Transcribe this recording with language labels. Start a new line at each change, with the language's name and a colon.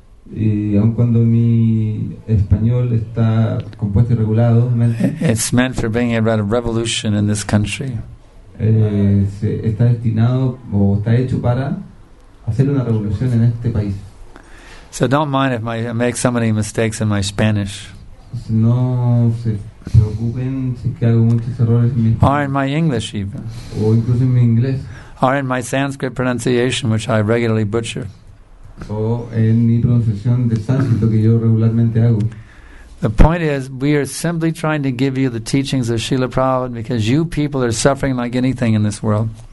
Spanish: y aun cuando mi español está compuesto irregulado,
English: it's meant for being about a revolution in this country.
Spanish: Está destinado o está hecho para hacer una revolución en este país.
English: So don't mind if I make so many mistakes in my Spanish.
Spanish: No se preocupen si es que hago muchos errores en mi español.
English: Or in my English even.
Spanish: O incluso en mi inglés.
English: Or in my Sanskrit pronunciation, which I regularly butcher. The point is, we are simply trying to give you the teachings of Srila Prabhupada because you people are suffering like anything in this world.